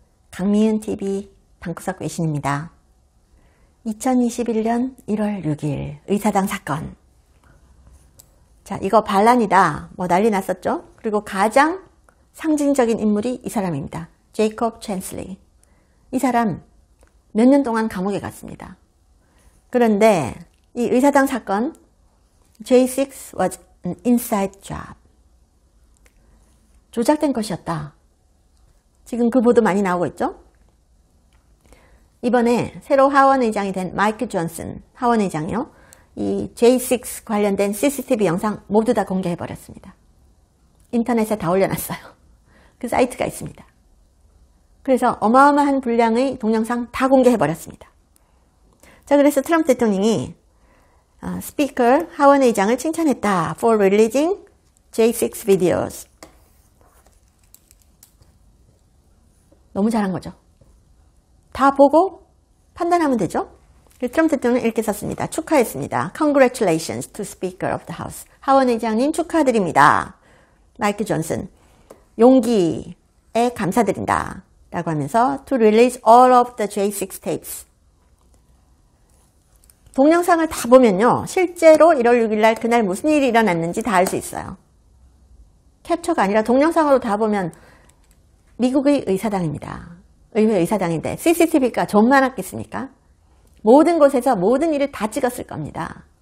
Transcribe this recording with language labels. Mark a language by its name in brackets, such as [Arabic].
[Korean] 강미윤 TV 방구석 외신입니다. 2021년 1월 6일 의사당 사건. 자, 이거 반란이다. 뭐 난리 났었죠? 그리고 가장 상징적인 인물이 이 사람입니다. 제이콥 챈슬리. 이 사람 몇년 동안 감옥에 갔습니다. 그런데 이 의사당 사건, [English] J6 was an inside job. [Korean] 조작된 것이었다. 지금 그 보도 많이 나오고 있죠? 이번에 새로 하원 의장이 된 마이크 존슨 하원 의장이요. 이 J6 관련된 CCTV 영상 모두 다 공개해 버렸습니다. 인터넷에 다 올려놨어요. 그 사이트가 있습니다. 그래서 어마어마한 분량의 동영상 다 공개해 버렸습니다. 자, 그래서 트럼프 대통령이 스피커 하원 의장을 칭찬했다. [English] For releasing J6 videos. [Korean] 너무 잘한 거죠. 다 보고 판단하면 되죠. 트럼프 대통령은 이렇게 썼습니다. 축하했습니다. [English] Congratulations to Speaker of the House. [Korean] 하원 의장님 축하드립니다. 마이크 존슨, 용기에 감사드린다. 라고 하면서 [English] To release all of the J6 tapes. [Korean] 동영상을 다 보면요. 실제로 1월 6일 날 그날 무슨 일이 일어났는지 다알수 있어요. 캡처가 아니라 동영상으로 다 보면 미국의 의사당입니다. 의회 의사당인데 CCTV가 존만했겠습니까? 모든 곳에서 모든 일을 다 찍었을 겁니다.